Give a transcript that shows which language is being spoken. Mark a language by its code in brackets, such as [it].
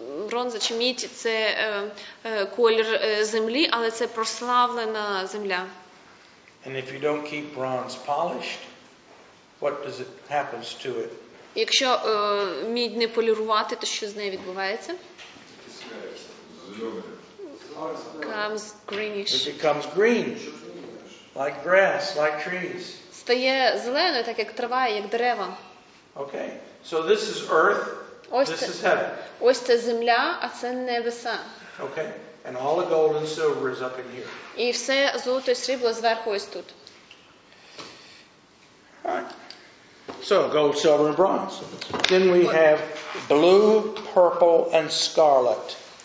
[uk] Бронза чи мідь це колір землі, але це прославлена земля. [en] And if you don't keep bronze polished, what does it happens to it? [uk] Якщо мідь не полірувати, то що з нею відбувається? [en] Comes greenish. It becomes green, like grass, like trees. [uk] Стає зеленою, так як трава, як дерева. [en] Okay, so this is earth, this is heaven. [uk] Ось це земля, а це небеса. [en] Okay, and all the gold and silver is up in here. [uk] І все золото і срібло зверху ось тут. [en] So gold, silver, and bronze. Then we have blue, purple, and scarlet.